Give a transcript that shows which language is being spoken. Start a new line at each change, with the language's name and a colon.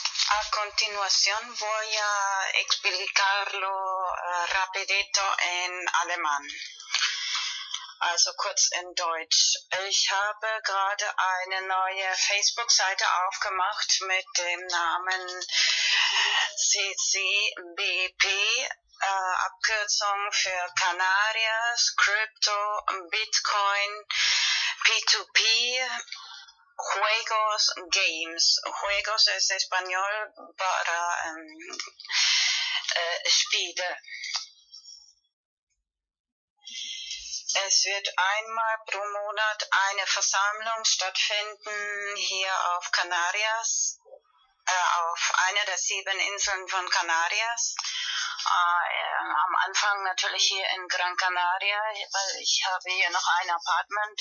Spanish: A continuación voy a explicarlo rapidito en alemán.
German: Also kurz in Deutsch. Ich habe gerade eine neue Facebook-Seite aufgemacht mit dem Namen CCBP, Abkürzung für Canarias, Crypto, Bitcoin, P2P, Juegos, Games.
Spanish: Juegos es español para Spiele.
German: Es wird einmal pro Monat eine Versammlung stattfinden hier auf Canarias, auf einer der 7 Inseln von Canarias. Am Anfang natürlich hier in Gran Canaria, weil ich habe hier noch ein Apartment.